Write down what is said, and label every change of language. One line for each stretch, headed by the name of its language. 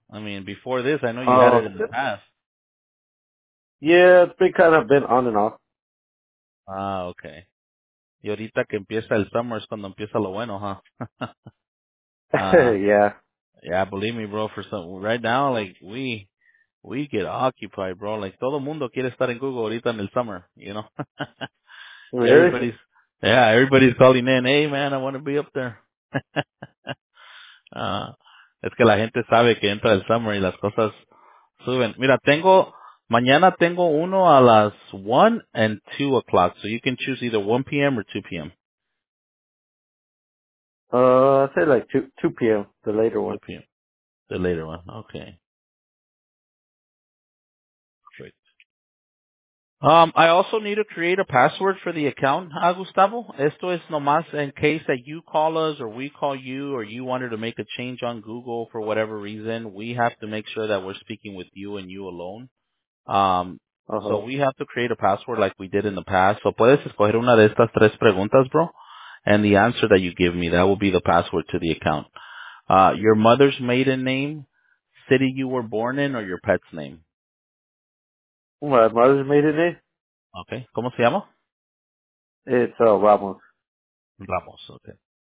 English: I mean, before this, I know you had it in the past. Yeah, it's been kind of been on and off. Ah, okay.
Spanish: Y ahorita que empieza el summer es cuando empieza lo bueno, huh?
English: yeah, believe me, bro, for some right now, like, we get occupied, bro.
Spanish: Like, todo mundo quiere estar en Google ahorita en el summer,
English: you know? Really? Everybody's calling in. Hey, man, I want to be up there.
Spanish: es que la gente sabe que entra el summer y las cosas suben. Mira, mañana tengo uno a las
English: 1 and 2 o'clock. So you can choose either 1 p.m. or 2 p.m. I say like 2 p.m., the later one. 2 p.m., the later one. Okay. Great. I also need to create a password for the account, Gustavo.
Spanish: Esto es nomás
English: in case that you call us or we call you or you wanted to make a change on Google for whatever reason. We have to make sure that we're speaking with you and you alone. So we have to create a password like we did in the past.
Spanish: So puedes escoger una de estas tres preguntas, bro.
English: And the answer that you give me, that will be the password to the account. Your mother's maiden name, city you were born in, or your pet's name? My mother's maiden name.
Spanish: Okay. ¿Cómo se llama?
English: It's Ramos. Ramos, okay.